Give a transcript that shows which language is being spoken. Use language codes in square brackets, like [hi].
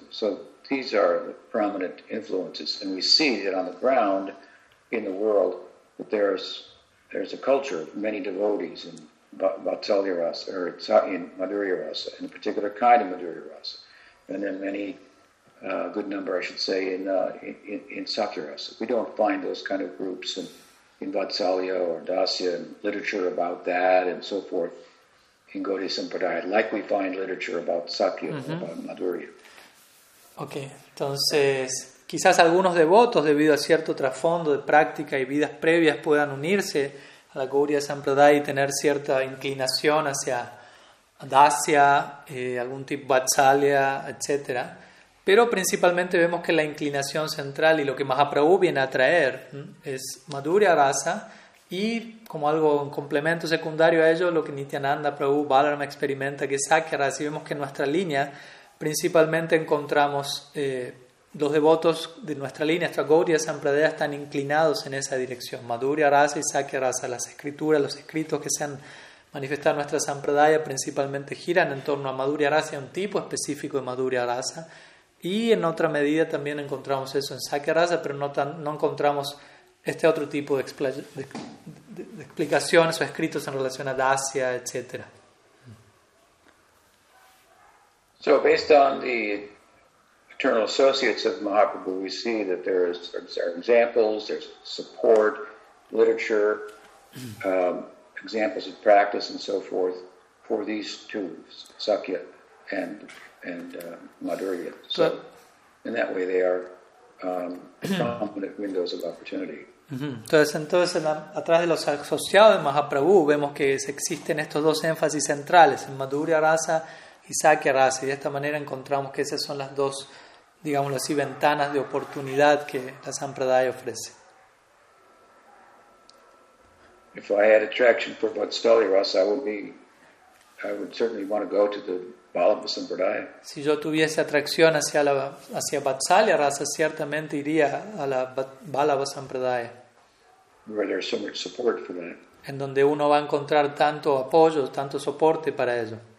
[en] So these are the prominent influences, and we see that on the ground in the world that there's a culture of many devotees in Vatsalya Rasa, or in Madhurya Rasa, in a particular kind of Madhurya Rasa, and then many, a good number, I should say, in Sakya Rasa. We don't find those kind of groups in Vatsalya or Dasya and literature about that and so forth in Gaudiya Sampradaya, like we find literature about Sakya, mm-hmm. about Madhurya. [es] Ok, entonces quizás algunos devotos debido a cierto trasfondo de práctica y vidas previas puedan unirse a la Gaudiya Sampradaya y tener cierta inclinación hacia Dasya, algún tipo Vatsalya, etc. Pero principalmente vemos que la inclinación central y lo que Mahaprabhu viene a traer es Madhurya Rasa y como algo en complemento secundario a ello lo que Nityananda Prabhu Balarama experimenta que es Sakya Rasa y vemos que en nuestra línea principalmente encontramos los devotos de nuestra línea, nuestra Gaudiya Sampradaya, están inclinados en esa dirección. Madhurya Rasa y Sakya Rasa, las escrituras, los escritos que se han manifestado en nuestra Sampradaya principalmente giran en torno a Madhurya Rasa, un tipo específico de Madhurya Rasa. Y en otra medida también encontramos eso en Sakya Rasa, pero no encontramos este otro tipo de explicaciones o escritos en relación a Dasya, etc. [en] So based on the eternal associates of Mahaprabhu, we see that there are examples, there's support, literature, examples of practice and so forth for these two, Sakya and Madhurya. So in that way they are prominent windows of opportunity. [es] Entonces atrás de los asociados de Mahaprabhu vemos que existen estos dos énfasis centrales, en Madhurya Rasa y Sakya Rasa, y de esta manera encontramos que esas son las dos, digámoslo así, ventanas de oportunidad que la Sampradaya ofrece. [en] If I had attraction for Vatsali Rasa, I would certainly want to go to the Balabha Sampradaya. [es] Si yo tuviese atracción hacia Vatsali Rasa, ciertamente iría a la Balabha Sampradaya. [en] Where there's so much support for that. [es] En donde uno va a encontrar tanto apoyo, tanto soporte para ello.